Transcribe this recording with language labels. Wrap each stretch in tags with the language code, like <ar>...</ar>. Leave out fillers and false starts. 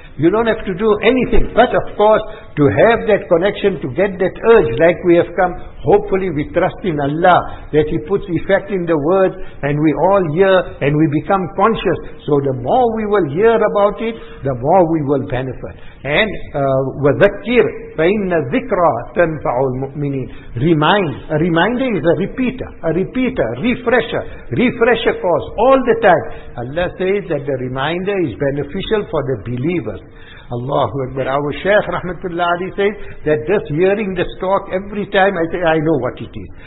<en>You don't have to do anything. But of course, to have that connection, to get that urge, like we have come, hopefully we trust in Allah, that He puts effect in the word, and we all hear, and we become conscious. So the more we will hear about it, the more we will benefit.</en> <ar>And وَذَكِّرْ فَإِنَّ ذِكْرَى تَنْفَعُ الْمُؤْمِنِينَ.</ar> <en>Remind. A reminder is a repeater, refresher course, all the time. Allah says that the reminder is beneficial for the believers. Allahu Akbar. Our Shaykh Rahmatullah Ali says that just hearing this talk every time, I say, I know what it is.</en>